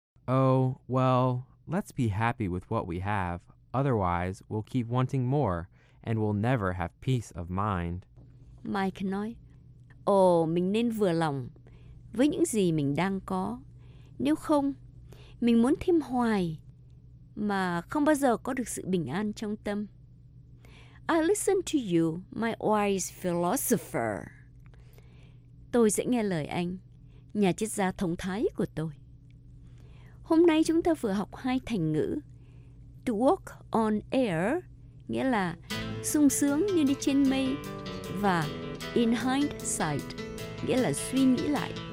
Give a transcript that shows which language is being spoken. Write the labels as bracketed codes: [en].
[en] Oh, well, let's be happy with what we have. Otherwise, we'll keep wanting more and we'll never have peace of mind. [vi] Mike nói, ồ, mình nên vừa lòng với những gì mình đang có. Nếu không, mình muốn thêm hoài mà không bao giờ có được sự bình an trong tâm. [en] I listen to you, my wise philosopher. [vi] Tôi sẽ nghe lời anh, nhà triết gia thông thái của tôi. Hôm nay chúng ta vừa học hai thành ngữ. [en] To walk on air, [vi] nghĩa là sung sướng như đi trên mây. Và [en] in hindsight, [vi] nghĩa là suy nghĩ lại.